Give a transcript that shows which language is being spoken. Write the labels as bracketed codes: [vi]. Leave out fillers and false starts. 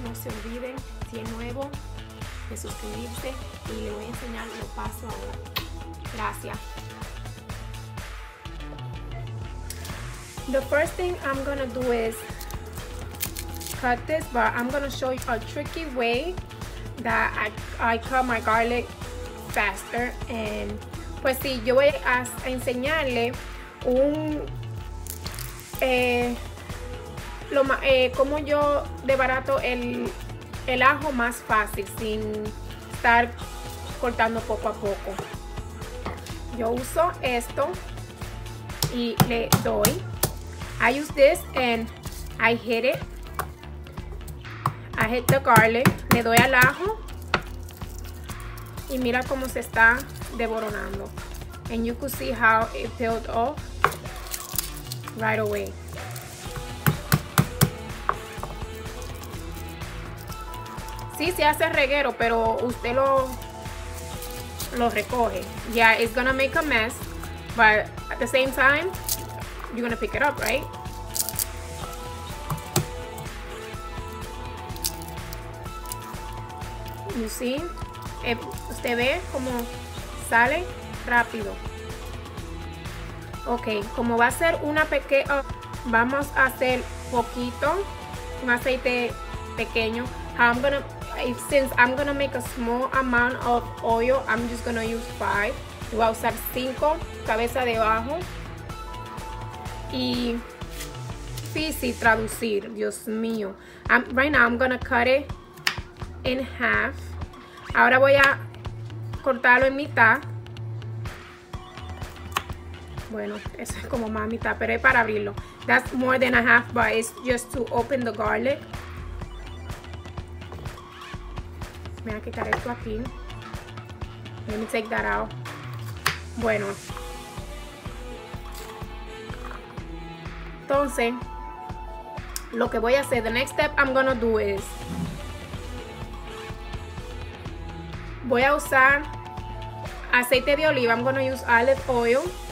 [es] No se olviden, si es nuevo, de suscribirse y le voy a enseñar lo paso ahora. Gracias. [en] The first thing I'm gonna do is cut this, but I'm gonna show you a tricky way that I cut my garlic faster. [es] And pues sí, yo voy a enseñarle cómo yo desbarato el ajo más fácil sin estar cortando poco a poco. Yo uso esto y le doy. [en] I use this and I hit it. I hit the garlic, [es] le doy al ajo y mira cómo se está desboronando. [en] And you could see how it peeled off right away. [es] Sí, se hace reguero, pero usted lo recoge. [en] Yeah, it's gonna make a mess, but at the same time, you're gonna pick it up, right? You see? [es] Usted ve como sale rápido. Ok, como va a ser una pequeña, vamos a hacer poquito, un aceite pequeño. [en] Since I'm gonna make a small amount of oil, I'm just gonna use 5. [es] Voy a usar 5 cabezas de ajo. Y sí, traducir, Dios mío. [en] Right now I'm gonna cut it in half. [es] Ahora voy a cortarlo en mitad. Bueno, eso es como más mitad, pero es para abrirlo. [en] That's more than a half, but it's just to open the garlic. [es] Me voy a quitar esto aquí. [en] Let me take that out. [es] Bueno. Entonces, lo que voy a hacer, [en] the next step I'm gonna do is, [es] voy a usar aceite de oliva. [en] I'm gonna use olive oil.